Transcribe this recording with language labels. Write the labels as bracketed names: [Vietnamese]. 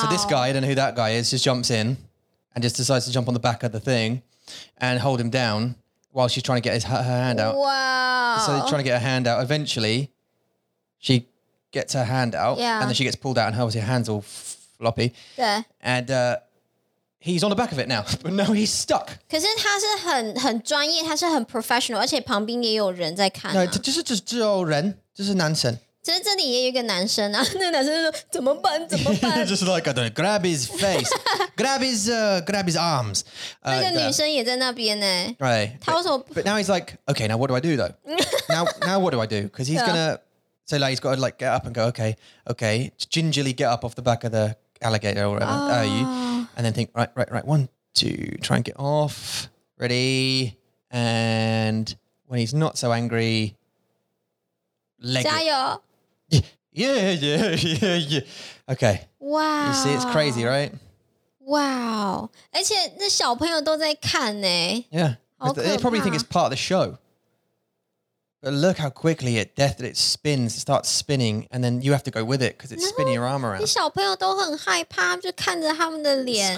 [English] So this guy, I don't know who that guy is, just jumps in and just decides to jump on the back of the thing and hold him down while she's trying to get her hand out. Wow. So trying to get her hand out. Eventually, she gets her hand out yeah. and then she gets pulled out and her hand's all floppy. Yeah. And, He's on the back of it now, but now he's stuck. [Chinese] 可是他是很专业，他是很 professional， 而且旁边也有人在看啊。对，就是只有人，就是男生。其实这里也有一个男生啊，那男生就说怎么办？怎么办？就是 [English] like I don't know, grab his face, grab his arms。 [Chinese] 那个女生也在那边呢。 [English] Right. [Chinese] 他为什么 [English] ？But now he's like, okay, now what do I do though? now what do I do? Because he's gonna say like he's got to like get up and go, okay, gingerly get up off the back of the alligator or whatever. Are you? And then think, right, one, two, try and get off, ready. And when he's not so angry, leg [Chinese] 加油 [English] it. Yeah. Okay. Wow. You see, it's crazy, right? Wow. [Chinese] 而且那小朋友都在看耶。 [English] Yeah. They probably think it's part of the show. But look how quickly it starts spinning, and then you have to go with it because it's spinning your arm around. [Chinese] 你小朋友都很害怕，就看着他们的脸。